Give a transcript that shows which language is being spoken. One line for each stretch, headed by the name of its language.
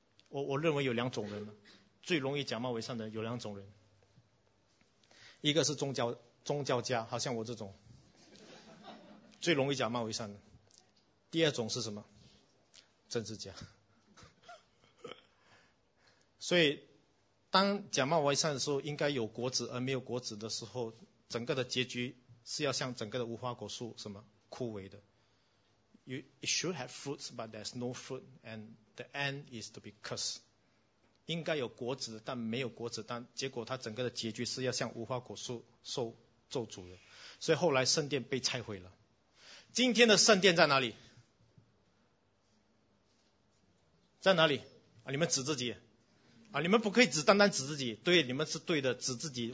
Chinese: 我认为有两种人，最容易假冒为善的有两种人，一个是宗教家，好像我这种，最容易假冒为善的。第二种是什么？政治家。所以当假冒为善的时候，应该有果子而没有果子的时候，整个的结局是要像整个的无花果树什么枯萎的。
English: It should have fruits but there's no fruit and the end is to be cursed。
Chinese: 应该有果子但没有果子，但结果它整个的结局是要像无花果树受咒诅的。所以后来圣殿被拆毁了。今天的圣殿在哪里？在哪里啊？你们指自己啊，你们不可以只单单指自己，对，你们是对的，指自己。